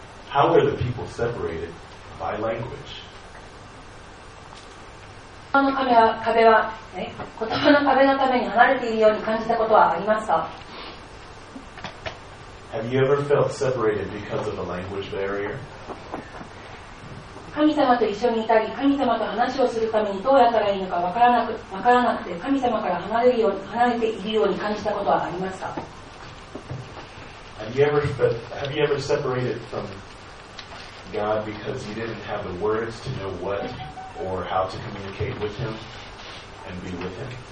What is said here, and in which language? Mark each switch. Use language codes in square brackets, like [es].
[en] How were the people separated by language? [ja] 言葉の壁は言葉の壁のために離れているように感じたことはありますか？ [en] Have you ever felt separated because of a language barrier? [ja] 神様と一緒にいたり、神様と話をするためにどうやったらいいのか分からなくて、神様から離れているように感じたことはありますか？ [en] Have you ever separated from God because you didn't have the words to know what? Or how to communicate with him and be with him.